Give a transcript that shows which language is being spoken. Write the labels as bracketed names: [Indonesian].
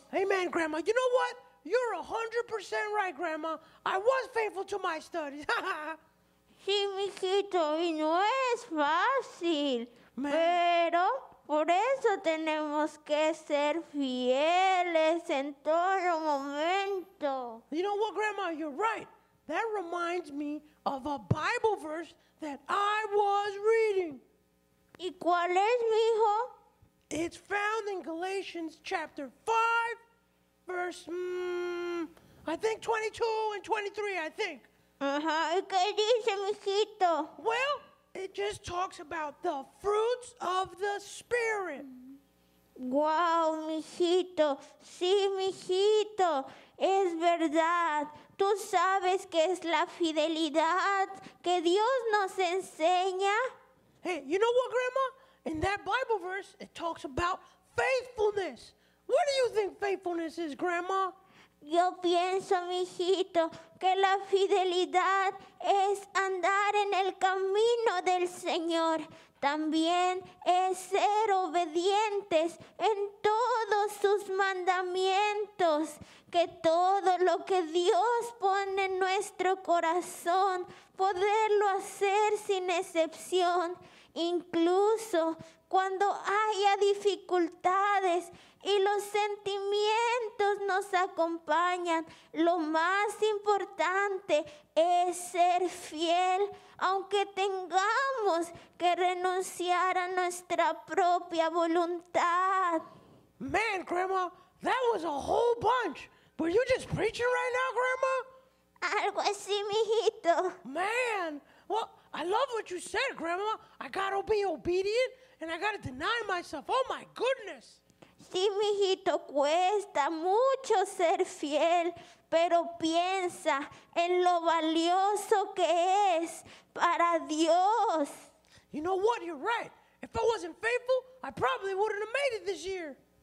[English] Amen, Grandma. You know what? You're 100% right, Grandma. I was faithful to my studies. [Spanish] Sí, mijito, y no es fácil. Man. Pero por eso tenemos que ser fieles en todo momento. [English] You know what, Grandma? You're right. That reminds me of a Bible verse that I was reading. [Spanish] ¿Y cuál es, mijo? [English] It's found in Galatians chapter 5, verse, I think 22 and 23, I think. [Spanish] Uh-huh. ¿Y qué dice, mijito? [English] Well, it just talks about the fruits of the Spirit. [Spanish] Wow, mijito. Sí, mijito. Es verdad. ¿Tú sabes qué es la fidelidad que Dios nos enseña? [English] Hey, you know what, Grandma? In that Bible verse, it talks about faithfulness. What do you think faithfulness is, Grandma? [Spanish] Yo pienso, mijito, que la fidelidad es andar en el camino del Señor. También es ser obedientes en todos sus mandamientos. Que todo lo que Dios pone en nuestro corazón, poderlo hacer sin excepción. Incluso cuando haya dificultades y los sentimientos nos acompañan, lo más importante es ser fiel, aunque tengamos que renunciar a nuestra propia voluntad. [English] Man, Grandma, that was a whole bunch. Were you just preaching right now, Grandma? [Spanish] Algo así, mijito. [English] Man, well, I love what you said, Grandma. I gotta be obedient and I gotta deny myself. Oh, my goodness. [Spanish] Sí, mijito, cuesta mucho ser fiel, pero piensa en lo valioso que es para Dios. [English] You know what? You're right. If I wasn't faithful, I probably wouldn't have made it this year.